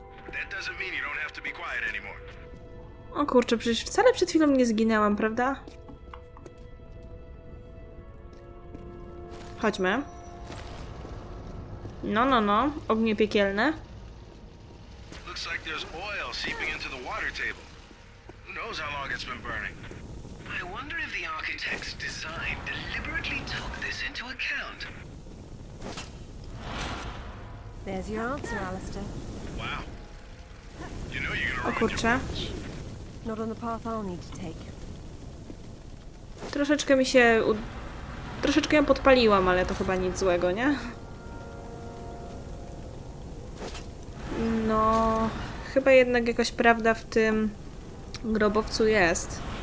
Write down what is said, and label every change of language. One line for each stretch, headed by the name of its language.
English: That doesn't mean you don't have to be quiet anymore.
Polish: O kurczę, przecież wcale przed chwilą nie zginęłam, prawda? Chodźmy. No, ognie piekielne.
English: Looks like there's oil seeping into the water table. Who knows how long it's been burning? I wonder if the architect's design deliberately took this into account. There's your answer, Alistair. Wow. You know you're gonna
Polish: O kurczę.
English: Not on the path I'll need to take.
Polish: Troszeczkę mi się... Troszeczkę ją podpaliłam, ale to chyba nic złego, nie? No... Chyba jednak jakaś prawda w tym grobowcu jest.